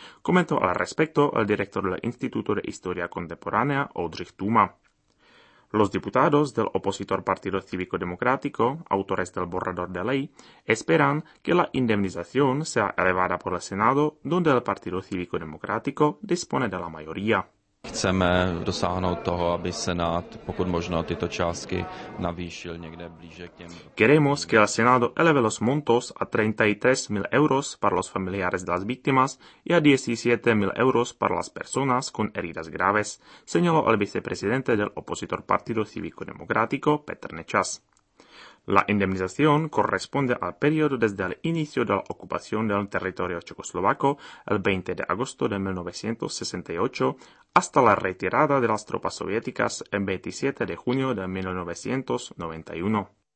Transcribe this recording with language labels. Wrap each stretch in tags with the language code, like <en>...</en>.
<es>Comentó al respecto el director del Instituto de Historia Contemporánea, Oldřich Tuma. Los diputados del opositor Partido Cívico Democrático, autores del borrador de ley, esperan que la indemnización sea elevada por el Senado, donde el Partido Cívico Democrático dispone de la mayoría.</es> <cs>Chceme dosáhnout toho, aby Senát, pokud možno, tyto částky navýšil někde blíže k těm...</cs> <es>Queremos que el Senado eleve los montos a 33.000 euros para los familiares de las víctimas y a 17.000 euros para las personas con heridas graves, señaló el vicepresidente del opositor Partido Cívico Democrático, Petr Nečas. La indemnización corresponde al periodo desde el inicio de la ocupación del territorio checoslovaco el 20 de agosto de 1968 hasta la retirada de las tropas soviéticas el 27 de junio de 1991.</es>